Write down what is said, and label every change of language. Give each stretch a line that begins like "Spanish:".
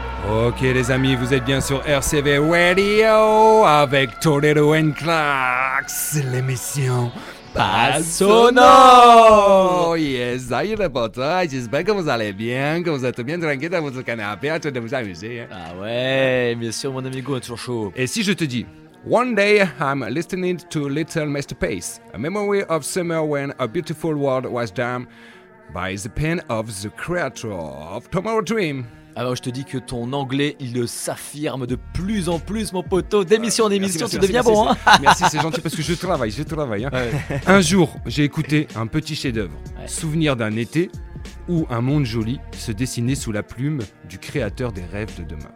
French: Ok les amis, vous êtes bien sur RCV Radio avec Torrero and Clax, l'émission Passionnant. Yes, ça y est, le poteau. J'espère que vous allez bien, que vous êtes bien tranquille dans votre canapé, en train de vous amuser. Hein. Ah ouais, bien sûr, mon amigo, est toujours chaud. Et si je te dis,
English: one day I'm listening to Little Masterpiece, a memory of summer when a beautiful world was dammed by the pen of the creator of Tomorrow Dream.
French: Alors je te dis que ton anglais, il le s'affirme de plus en plus, mon poteau. D'émission en émission, merci, tu deviens bon. C'est, hein. Merci, c'est gentil parce que je travaille. Hein. Ouais. Un jour, j'ai écouté un petit chef-d'œuvre, ouais. Souvenir d'un été où un monde joli se dessinait sous la plume du créateur des rêves de demain.